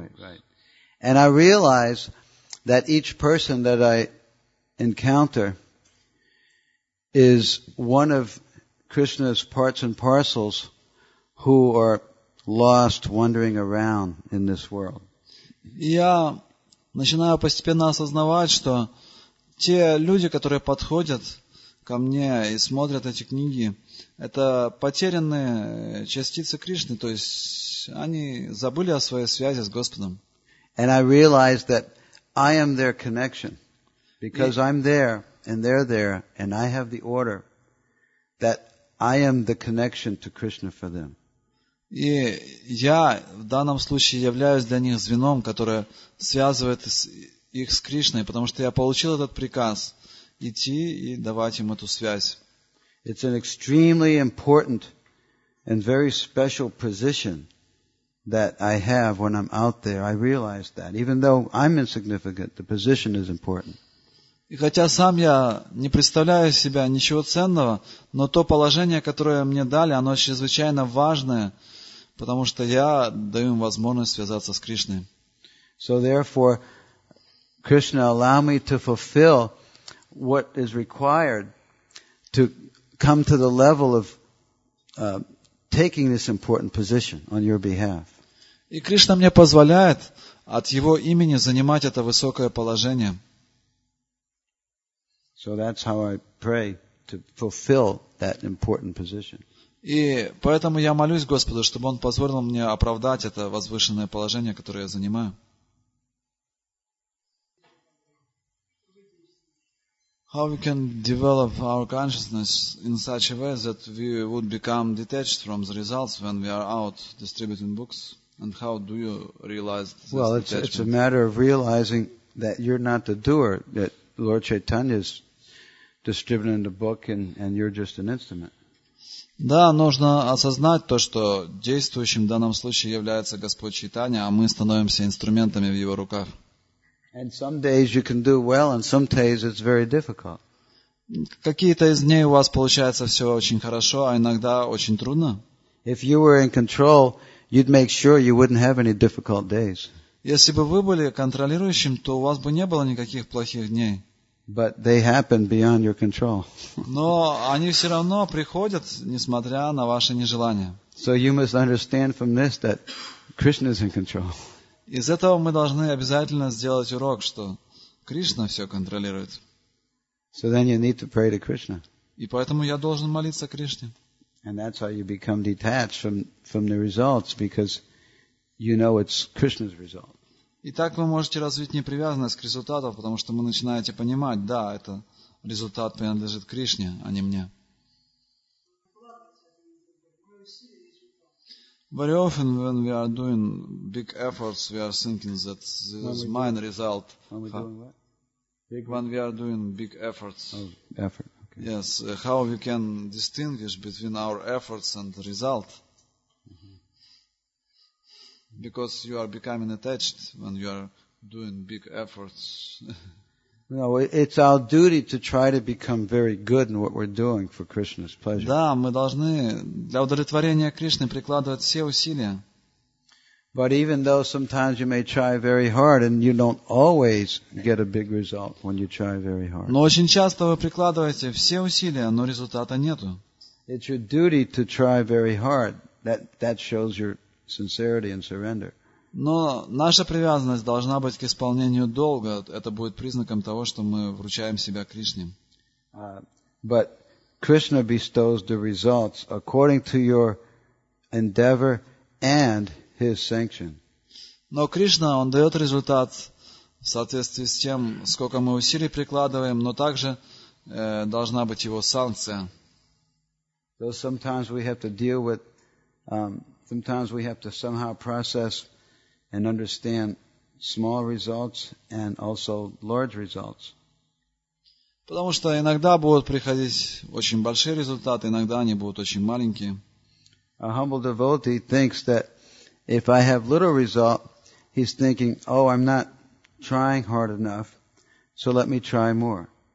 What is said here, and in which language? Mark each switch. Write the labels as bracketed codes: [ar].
[en] Right, right. And I realize that each person that I encounter is one of Krishna's parts and parcels who are lost wandering around in this world. [ru] Я начинаю постепенно осознавать, что те люди, которые подходят ко мне и смотрят эти книги, это потерянные частицы Кришны, то есть они забыли о своей связи с Господом. [en] And I realize that I am their connection, because I'm there and they're there, and I have the order that I am the connection to Krishna for them. [ru] И я в данном случае являюсь для них звеном, которое связывает их с Кришной, потому что я получил этот приказ идти и давать им эту связь. [en] It's an extremely important and very special position that I have when I'm out there. I realize that. Even though I'm insignificant, the position is important. [ru] И хотя сам я не представляю себя ничего ценного, но то положение, которое мне дали, оно чрезвычайно важное, потому что я даю им возможность связаться с Кришной. [en] So therefore, Krishna, allow me to fulfill what is required to come to the level of taking this important position on your behalf. [ru] И Кришна мне позволяет от Его имени занимать это высокое положение. [en] So that's how I pray to fulfill that important position. [ru] И поэтому я молюсь Господу, чтобы Он позволил мне оправдать это возвышенное положение, которое я занимаю. [en] How we can develop our consciousness in such a way that we would become detached from the results when we are out distributing books? And how do you realize this detachment? Well, it's a matter of realizing that you're not the doer, that Lord Chaitanya is distributing the book and you're just an instrument. [ru] Да, нужно осознать то, что действующим в данном случае является Господь Чайтанья, а мы становимся инструментами в Его руках. [en] And some days you can do well, and some days it's very difficult. [ru] Какие-то из дней у вас получается все очень хорошо, а иногда очень трудно. [en] If you were in control, you'd make sure you wouldn't have any difficult days. [ru] Если бы вы были контролирующим, то у вас бы не было никаких плохих дней. [en] But they happen beyond your control. [ru] Но они все равно приходят, несмотря на ваше нежелание. [en] So you must understand from this that Krishna is in control. [ru] Из этого мы должны обязательно сделать урок, что Кришна все контролирует. [en] So then you need to pray to Krishna. [ru] И поэтому я должен молиться Кришне. [en] And that's how you become detached from the results, because you know it's Krishna's result. [ru] И так вы можете развить непривязанность к результатам, потому что вы начинаете понимать, да, это результат принадлежит Кришне, а не мне. [en] Very often when we are doing big efforts, we are thinking that this is my result. When we are doing big efforts. Oh, effort. Okay. Yes. How we can distinguish between our efforts and the result? Mm-hmm. Because you are becoming attached when you are doing big efforts. No, it's our duty to try to become very good in what we're doing for Krishna's pleasure. [ru] Да, мы должны для удовлетворения Кришны прикладывать все усилия. [en] But even though sometimes you may try very hard and you don't always get a big result when you try very hard. [ru] Но очень часто вы прикладываете все усилия, но результата нету. [en] It's your duty to try very hard. That shows your sincerity and surrender. [ru] Но наша привязанность должна быть к исполнению долга. Это будет признаком того, что мы вручаем себя Кришне. [en] But Krishna bestows the results according to your endeavor and his sanction. [ru] Но Кришна, Он дает результат в соответствии с тем, сколько мы усилий прикладываем, но также должна быть Его санкция. [en] So sometimes we have to deal with, sometimes we have to somehow process and understand small results and also large results. [ru] Потому что иногда будут приходить очень большие результаты, иногда они будут очень маленькие. [en] A humble devotee thinks that if I have little result, he's thinking, oh, I'm not trying hard enough, so let me try more.